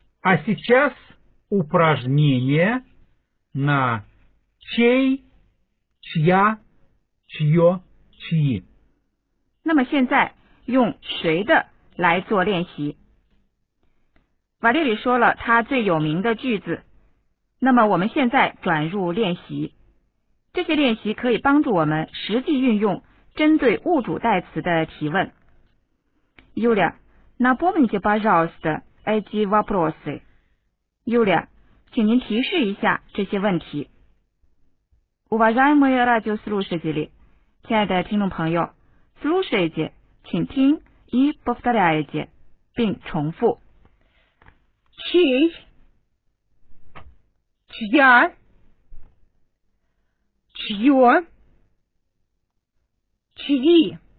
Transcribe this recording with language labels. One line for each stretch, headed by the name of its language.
Russian: А сейчас упражнение на чей, чья. чьё, чьи.
Chinese: 那么现在用谁的来做练习。瓦列里说了他最有名的句子，那么我们现在转入练习。这些练习可以帮助我们实际运用针对物主代词的提问。
Russian: Юля, напомните, пожалуйста, эти вопросы.
Chinese: Юля, 请您提示一下这些问题。
Russian: Уважаемые радиослушатели,
Chinese: 亲爱的听众朋友
Russian: слушайте,
Chinese: 请听
Russian: и повторяйте,
Chinese: 并重复。
Russian: чей, чья, чьё, чьи.